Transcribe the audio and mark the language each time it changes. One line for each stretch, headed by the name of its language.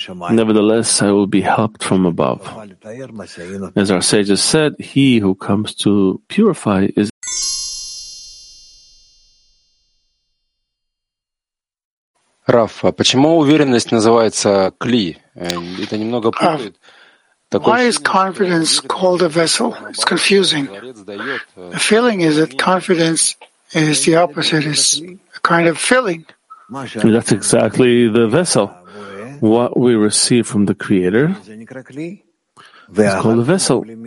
English: Nevertheless, I will be helped from above. As our sages said, he who comes to purify is
Russian: Рафа, почему уверенность называется кли? Это немного путает.
English: Why is confidence called a vessel? It's confusing. The feeling is that confidence is the opposite, it's a kind of filling. That's exactly the vessel. What we receive from the Creator is called a vessel.